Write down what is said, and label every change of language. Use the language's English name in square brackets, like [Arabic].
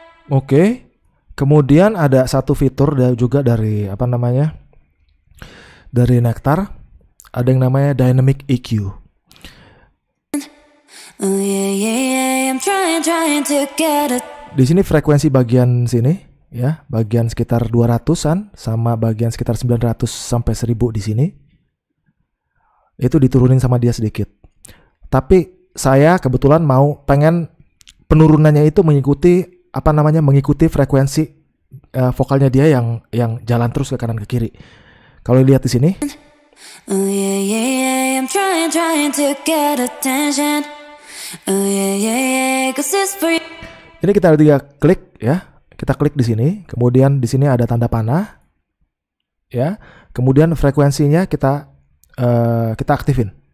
[Indonesian] Oke, kemudian ada satu fitur juga dari apa namanya, dari Nektar, ada yang namanya Dynamic EQ. [English] Oh yeah yeah yeah, I'm trying to get it. [Indonesian] Di sini frekuensi bagian sini. Ya, bagian sekitar 200-an sama bagian sekitar 900 sampai 1000 di sini. Itu diturunin sama dia sedikit. Tapi saya kebetulan mau pengen penurunannya itu mengikuti apa namanya? Mengikuti frekuensi vokalnya dia yang jalan terus ke kanan ke kiri. Kalau lihat di sini. [English] Oh yeah yeah yeah, I'm trying to get attention. Oh yeah yeah yeah, 'cause it's for you. [Indonesian] Ini kita ada 3 klik ya. Kita klik di sini, kemudian di sini ada tanda panah, ya. Kemudian frekuensinya kita aktifin.